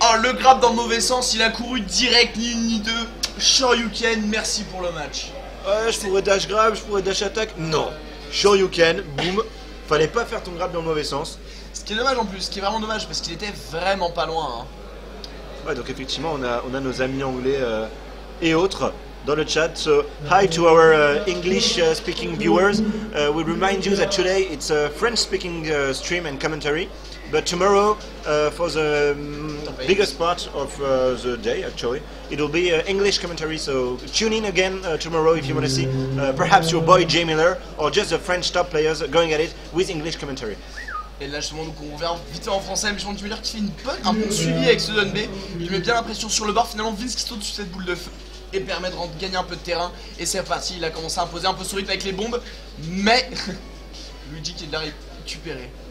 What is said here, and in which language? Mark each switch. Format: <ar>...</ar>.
<fr>Oh, le grab dans le mauvais sens, il a couru direct, ni une ni deux. Shoryuken, merci pour le match. Ouais, je pourrais dash grab, je pourrais dash attaque. Non, Shoryuken, boum. Fallait pas faire ton grab dans le mauvais sens. Ce qui est dommage en plus, ce qui est vraiment dommage parce qu'il était vraiment pas loin. Hein. Ouais, donc effectivement, on a nos amis anglais et autres dans le chat.</fr> <en>So hi to our English speaking viewers. We remind you that today it's a French speaking stream and commentary. But tomorrow, for the biggest part of the day, actually, it will be English commentary. So tune in again tomorrow if you want to see perhaps your boy Jay Miller or just the French top players going at it with English commentary.</en> <fr>Et là justement donc on revient vite en français, mais je pense que Miller qui fait un bon suivi avec ce Don B. Il met bien la pression sur le bar, finalement Vince qui saute sur cette boule de feu et permet de gagner un peu de terrain. Et c'est parti, il a commencé à imposer un peu son rythme avec les bombes, mais Luigi qui est de la récupérer.</fr>